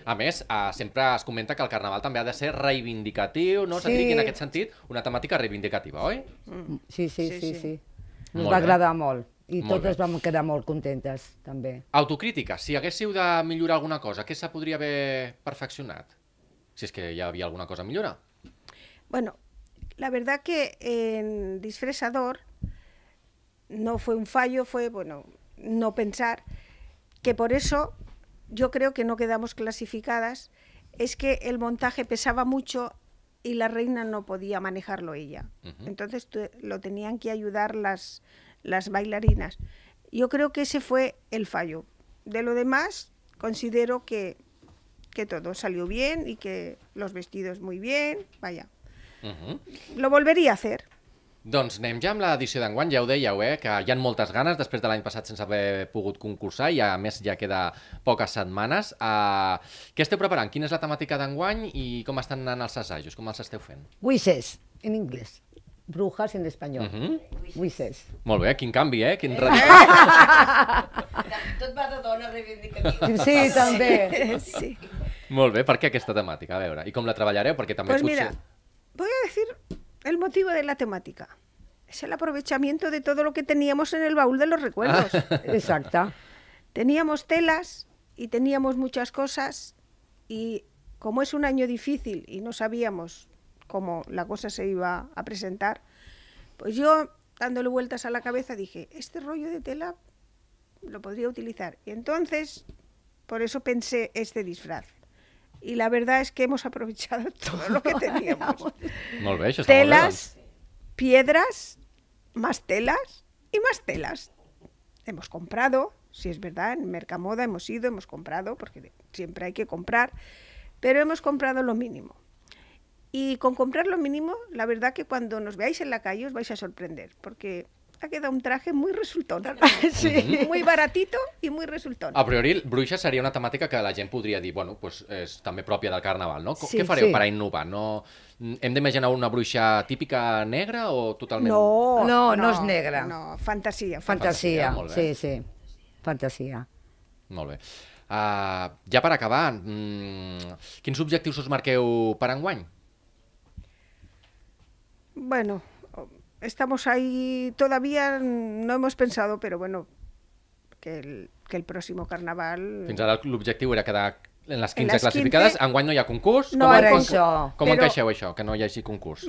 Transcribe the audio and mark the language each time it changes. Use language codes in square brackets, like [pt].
[ca] A més, sempre es comenta que el carnaval també ha de ser reivindicatiu, no? Sí. En aquest sentit, una temàtica reivindicativa, oi? Sí. Ens va agradar molt. I totes vam quedar molt contentes, també. Autocrítica, si haguéssiu de millorar alguna cosa, què se podria haver perfeccionat? Si és que hi havia alguna cosa a millorar. [es] Bueno, la verdad que en Disfressador no fue un fallo, fue, bueno, no pensar, que por eso yo creo que no quedamos clasificadas, es que el montaje pesaba mucho y la reina no podía manejarlo ella. Uh-huh. Entonces lo tenían que ayudar las bailarinas. Yo creo que ese fue el fallo. De lo demás, considero que todo salió bien y que los vestidos muy bien, vaya. Uh-huh. Lo volvería a hacer. [ca] Doncs anem ja amb l'edició d'enguany, ja ho dèieu, eh? Que hi ha moltes ganes després de l'any passat sense haver pogut concursar i a més ja queda poques setmanes. Què esteu preparant? Quina és la temàtica d'enguany i com estan anant els assajos? Com els esteu fent? Wishes, en anglès. Brujas en espanyol. Uh-huh. Wishes. Molt bé, quin canvi, eh? Quin radical. Tot va de dona reivindicativa. Sí, també. Sí. Molt bé, per què aquesta temàtica? A veure, i com la treballareu? Perquè també pues potser... [es] mira, voy a decir el motivo de la temática. Es el aprovechamiento de todo lo que teníamos en el baúl de los recuerdos. Ah. Exacta. Teníamos telas y teníamos muchas cosas y como es un año difícil y no sabíamos... como la cosa se iba a presentar, pues yo, dándole vueltas a la cabeza, dije, este rollo de tela lo podría utilizar. Y entonces, por eso pensé este disfraz. Y la verdad es que hemos aprovechado todo lo que teníamos. [ca] Molt bé, això està [es] telas, piedras, más telas y más telas. Hemos comprado, si es verdad, en Mercamoda hemos ido, hemos comprado, porque siempre hay que comprar, pero hemos comprado lo mínimo. Y con comprar lo mínimo, la verdad que cuando nos veáis en la calle os vais a sorprender, porque ha quedado un traje muy resultón. Sí. Muy baratito y muy resultón. [ca] A priori, bruixa seria una temàtica que la gent podria dir, bueno, pues és també pròpia del carnaval, no? Sí, què fareu per a innovar? No, hem d'imaginar una bruixa típica negra o totalment... No, és negra. No, fantasia. Fantasia, sí, sí. Fantasia. Molt bé. Ja per acabar, quins objectius us marqueu per enguany? [es] Bueno, estamos ahí, todavía no hemos pensado, pero bueno, que el próximo carnaval... [ca] Fins ara l'objectiu era quedar en les 15 classificades, 15... enguany no hi ha concurs. No, ara això. Com encaixeu això, que no hi hagi concurs?